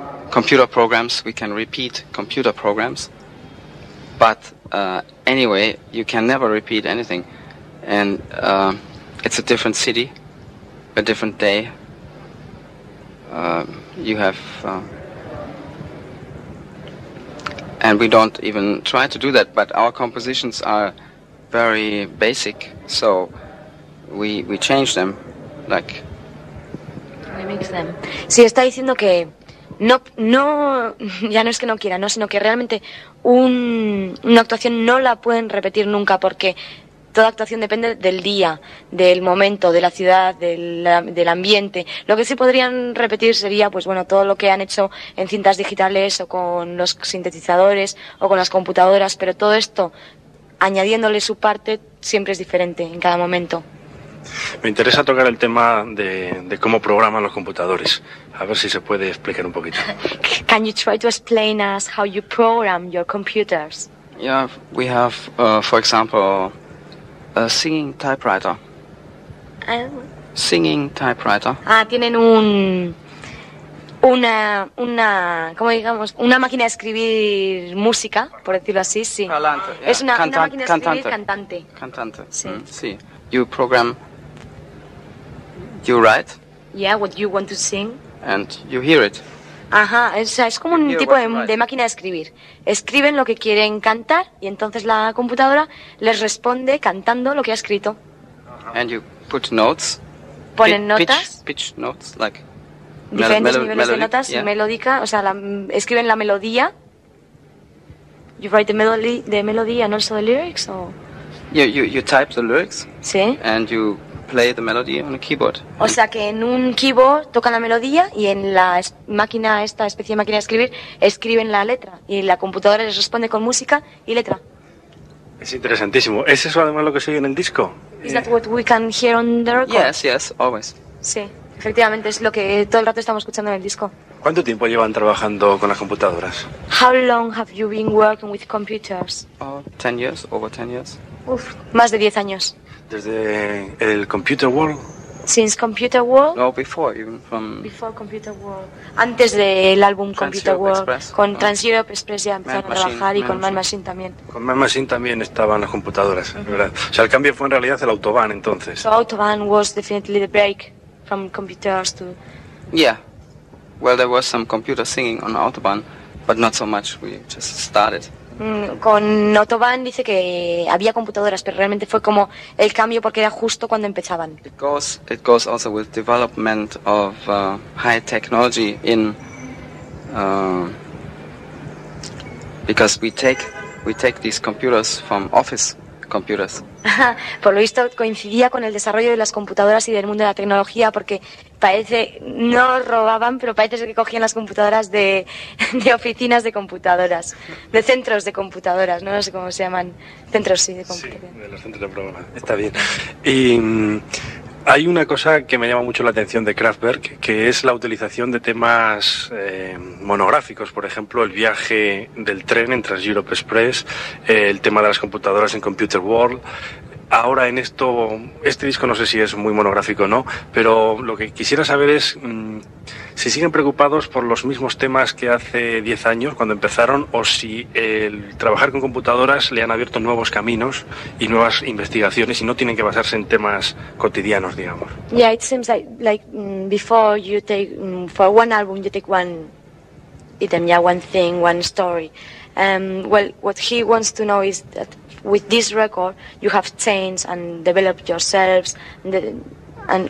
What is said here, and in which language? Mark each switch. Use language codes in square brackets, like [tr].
[en] Computer programs, we can repeat computer programs, but anyway, you can never repeat anything, and it's a different city, a different day, you have, and we don't even try to do that, but our compositions are very basic, so we change them, like... We mix them. [es] Sí, está diciendo que... No, ya no es que no quiera, no, sino que realmente una actuación no la pueden repetir nunca, porque toda actuación depende del día, del momento, de la ciudad, del ambiente. Lo que sí podrían repetir sería, pues bueno, todo lo que han hecho en cintas digitales o con los sintetizadores o con las computadoras, pero todo esto, añadiéndole su parte, siempre es diferente en cada momento. Me interesa tocar el tema de cómo programan los computadores. A ver si se puede explicar un poquito. [en] Can you try to explain us how you program your computers? Yeah, we have, for example, a singing typewriter. Singing typewriter. [es] Ah, tienen un una, ¿cómo digamos? Una máquina de escribir música, por decirlo así, sí. Parlante, yeah. Es una máquina de escribir cantante. Cantante, sí. Mm, sí. [en] You program, you write. Yeah, what you want to sing. And you hear it. [es] Ajá, o sea, es como un tipo de máquina de escribir. Escriben lo que quieren cantar y entonces la computadora les responde cantando lo que ha escrito. [en] And you put notes. [es] Ponen notas. [en] Pitch notes, like. [es] Diferentes niveles de notas, yeah. Melódica, o sea, escriben la melodía. [en] You write the melody and also the lyrics, or. You type the lyrics. [es] Sí. [en] And you play the melody on a keyboard. [es] O sea que en un keyboard tocan la melodía y en la máquina, esta especie de máquina de escribir, escriben la letra y la computadora les responde con música y letra. Es interesantísimo. ¿Es eso además lo que se oye en el disco? [en] Is that what we can hear on the record? Yes, yes, always. [es] Sí, efectivamente es lo que todo el rato estamos escuchando en el disco. ¿Cuánto tiempo llevan trabajando con las computadoras? [en] How long have you been working with computers? 10 years, over 10 years. [es] Uf, más de 10 años. Desde el computer world. [en] Since computer world. No, before even from. Before computer world. [es] Antes del álbum computer world. Express, con Trans Europe Express ya empezaron a trabajar y con Man Machine también. Con Man Machine también estaban las computadoras, uh-huh. ¿Verdad? O sea, el cambio fue en realidad el Autobahn entonces. [en] So Autobahn was definitely the break from computers to. Yeah, well, there was some computer singing on Autobahn, but not so much. We just started. [es] Con Autobahn dice que había computadoras, pero realmente fue como el cambio porque era justo cuando empezaban. [en] It goes also with development of high technology in because we take these computers from office computers. [es] Por lo visto coincidía con el desarrollo de las computadoras y del mundo de la tecnología porque parece no robaban, pero parece que cogían las computadoras de oficinas de computadoras, de centros de computadoras, no sé cómo se llaman, centros sí de computadoras. Sí, de los centros de programación. Está bien. Y hay una cosa que me llama mucho la atención de Kraftwerk, que es la utilización de temas monográficos, por ejemplo, el viaje del tren en Trans Europe Express, el tema de las computadoras en Computer World. Ahora en esto, este disco no sé si es muy monográfico o no, pero lo que quisiera saber es si siguen preocupados por los mismos temas que hace 10 años cuando empezaron o si el trabajar con computadoras le han abierto nuevos caminos y nuevas investigaciones y no tienen que basarse en temas cotidianos, digamos. [en] Yeah, it seems like before you take for one album you take one item, yeah, one thing, one story. Well, what he wants to know is that with this record, you have changed and developed yourselves, and